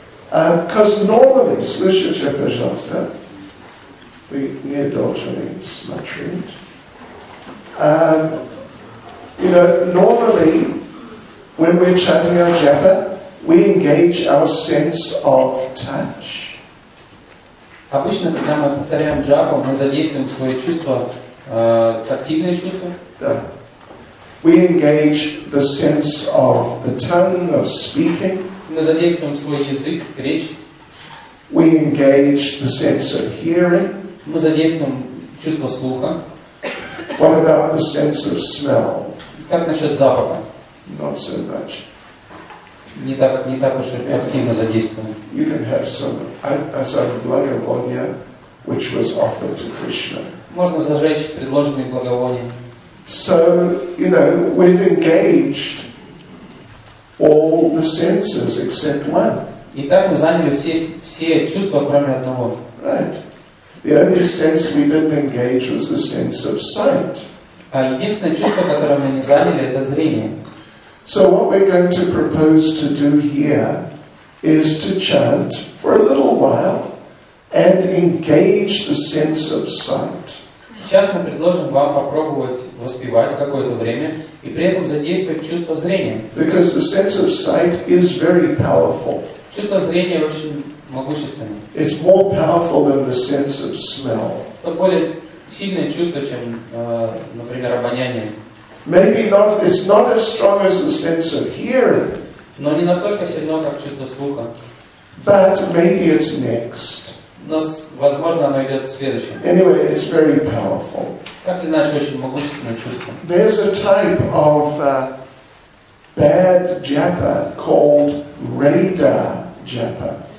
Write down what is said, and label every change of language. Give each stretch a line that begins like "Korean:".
English: Because normally,
Russian: слышите, пожалуйста, вы не должны смотреть.
English: You know, normally, when we're chanting our japa, we engage our sense of touch.
Russian: Обычно, когда мы повторяем джапу, мы задействуем свои чувства, тактильные чувства. Да.
English: We engage the sense of the tongue, of speaking.
Russian: Мы задействуем свой язык, речь.
English: We engage the sense of hearing.
Russian: Мы задействуем чувство слуха.
English: What about the sense of smell?
Russian: Как насчет запаха?
English: Not so much.
Russian: Не так уж активно задействовано.
English: You can have some благовония, which was offered to Krishna.
Russian: Можно зажечь предложенные благовония.
English: So, you know, we've engaged all the senses except one.
Russian: Итак, мы заняли все чувства, кроме одного.
English: Right. The only sense we didn't engage was the sense of sight.
Russian: А единственное чувство, которое мы не заняли, это зрение.
English: So what we're going to propose to do here is to chant for a little while and engage the sense of sight.
Russian: Сейчас мы предложим вам попробовать воспевать какое-то время и при этом задействовать чувство зрения.
English: Because the sense of sight is very powerful.
Russian: Чувство зрения очень могущественное.
English: It's more powerful than the sense of smell.
Russian: Сильное чувство, чем, например, обоняние.
English: Maybe not. It's not as strong as the sense of hearing.
Russian: Но не настолько сильно, как чувство слуха.
English: But maybe it's next.
Russian: Но, возможно, оно идет в следующем.
English: Anyway, it's very powerful.
Russian: Как иначе, очень могущественное чувство.
English: There's a type of bad japa called radar japa.